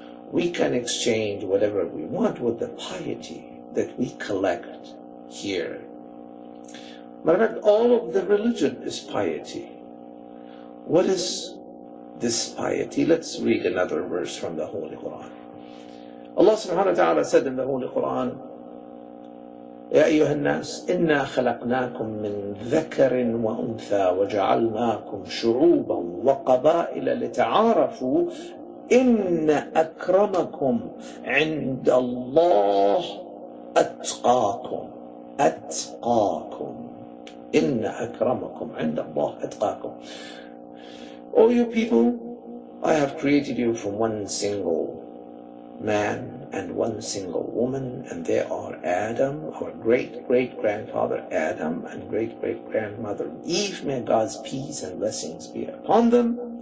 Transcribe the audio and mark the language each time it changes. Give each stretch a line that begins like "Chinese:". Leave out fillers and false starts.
English: We can exchange whatever we want with the piety that we collect here. Matter of fact, all of the religion is piety. What is this piety? Let's read another verse from the Holy Quran. Allah subhanahu wa ta'ala said in the Holy Quran,
Arabic: يا أيها الناس إنا خلقناكم من ذكر وأنثى وجعلناكم شعوبا وقبائل لتعارفوا إن أكرمكم عند الله أتقاكم أتقاكم إن أكرمكم عند الله أتقاكم.
English: O you people, I have created you from one single man and one single woman, and they are Adam, our great-great-grandfather Adam, and great-great-grandmother Eve. May God's peace and blessings be upon them.